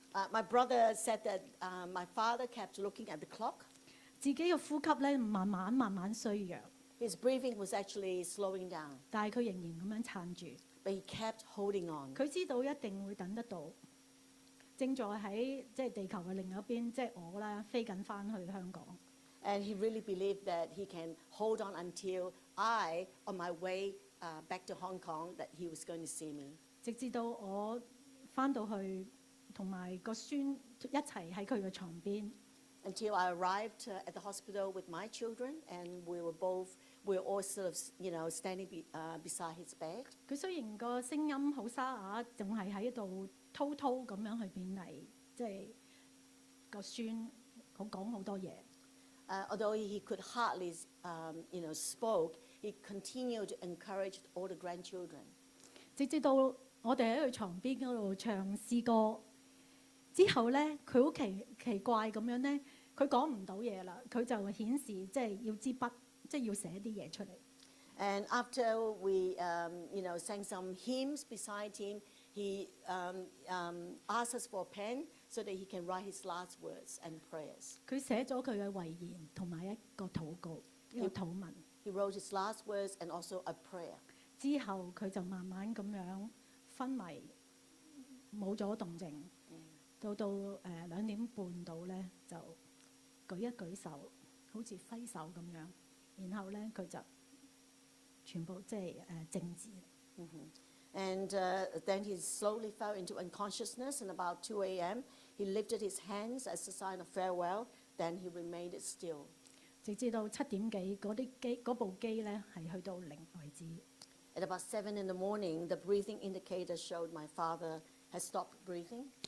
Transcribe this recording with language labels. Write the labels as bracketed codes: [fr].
[en] My brother said that, my father kept looking at the clock. [yue] 自己嘅呼吸咧，慢慢慢慢衰弱。 [en] His breathing was actually slowing down. [yue] 但係佢仍然咁樣撐住。 [en] But he kept holding on. [yue] 佢知道一定會等得到。正在喺即係地球嘅另一邊，即係我啦，飛緊翻去香港。 [en] And he really believed that he can hold on until I, on my way, back to Hong Kong, that he was going to see me. [yue] 直至到我翻到去同埋個孫一齊喺佢嘅床邊。 [en] Until I arrived at the hospital with my children, and we were all sort of, you know, standing beside his bed. [yue] 佢雖然個聲音好沙啞，仲係喺度滔滔咁樣去勉勵，即係個孫好講好多嘢。 [en] Although he could hardly, you know, spoke, he continued to encourage all the grandchildren. [yue] 直至到我哋喺佢床邊嗰度唱詩歌。之後咧，佢好奇怪咁樣咧，佢講唔到嘢啦，佢就顯示即係要支筆，即係要寫啲嘢出嚟。 [en] And after we, you know, sang some hymns beside him, he asked us for a pen so that he can write his last words and prayers. [yue] 佢寫咗佢嘅遺言同埋一個禱告，一個禱文。 [en] He wrote his last words and also a prayer. [yue] 之後佢就慢慢咁樣昏迷，冇咗動靜。到兩點半到咧，就舉一舉手，好似揮手咁樣，然後咧佢就全部即係靜止。 [en] And then he slowly fell into unconsciousness. And about 2 a.m., he lifted his hands as a sign of farewell Then he remained still. [yue] 直至到七點幾，嗰啲機嗰部機咧係去到零為止。 [en] At about 7 in the morning, the breathing indicator showed my father has stopped breathing.